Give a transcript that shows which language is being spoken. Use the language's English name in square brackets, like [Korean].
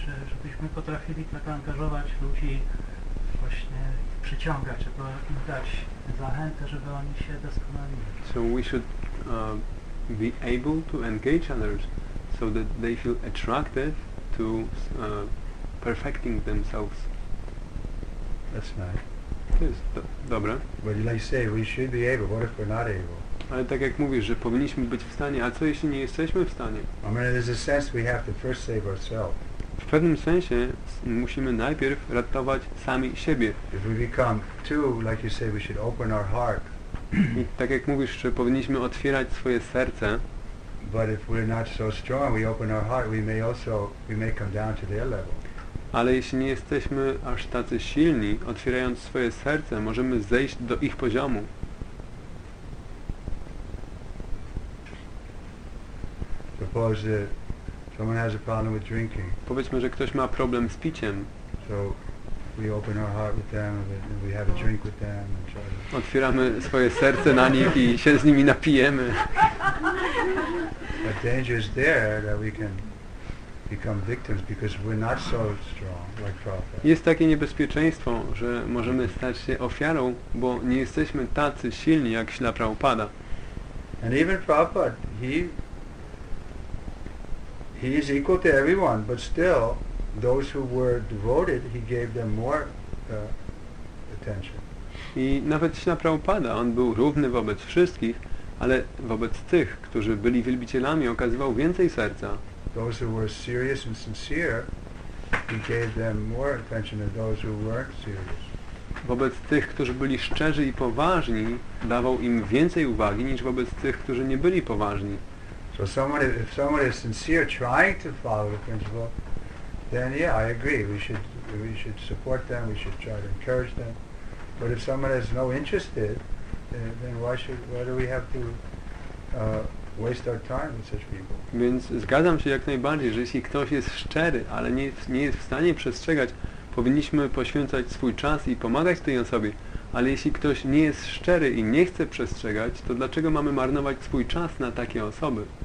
[Polish] Żebyśmy potrafili tak angażować ludzi, właśnie przyciągać, żeby im dać zachętę, żeby oni się doskonalili. [English] So we should be able to engage others so that they feel attracted to perfecting themselves. That's nice. [Polish] To jest dobre. [English] But like I say, we should be able, what if we're not able? [Polish] Ale tak jak mówisz, że powinniśmy być w stanie, a co jeśli nie jesteśmy w stanie? [English] I mean, there's a sense we have to first save ourselves. [Polish] W pewnym sensie musimy najpierw ratować sami siebie. [English] If we become two, like you say, we should open our heart. [Polish] I tak jak mówisz, że powinniśmy otwierać swoje serce. [English] But if we're not so strong, we open our heart, we may come down to their level. [Polish] Ale jeśli nie jesteśmy aż tacy silni, otwierając swoje serce, możemy zejść do ich poziomu. [English] Suppose someone has a problem with drinking. [Polish] Powiedzmy, że ktoś ma problem z piciem. [English] So we open our heart with them and we have a drink with them and try to... [Polish] Otwieramy swoje serce na nich i się z nimi napijemy. [English] But danger is there that we can become victims because we're not so strong like Prabhupada. [Polish] Jest takie niebezpieczeństwo, że możemy stać się ofiarą, bo nie jesteśmy tacy silni jak Śrīla Prabhupada. [English] And even Prabhupada, he is equal to everyone, but still those who were devoted, he gave them more attention. [Polish] I nawet Śrīla Prabhupada, on był równy wobec wszystkich, ale wobec tych, którzy byli wielbicielami, okazywał więcej serca. [English] Those who were serious and sincere, he gave them more attention than those who weren't serious. [Polish] Wobec tych, którzy byli szczerzy i poważni, dawał im więcej uwagi niż wobec tych, którzy nie byli poważni. [English] So someone, if someone is sincere trying to follow the principle, then yeah, I agree. We should support them, we should try to encourage them. But if someone is no interested, then why do we have to waste our time with such people? [Polish] Więc zgadzam się jak najbardziej, że jeśli ktoś jest szczery, ale nie jest w stanie przestrzegać, powinniśmy poświęcać swój czas i pomagać tej osobie. Ale jeśli ktoś nie jest szczery i nie chce przestrzegać, to dlaczego mamy marnować swój czas na takie osoby?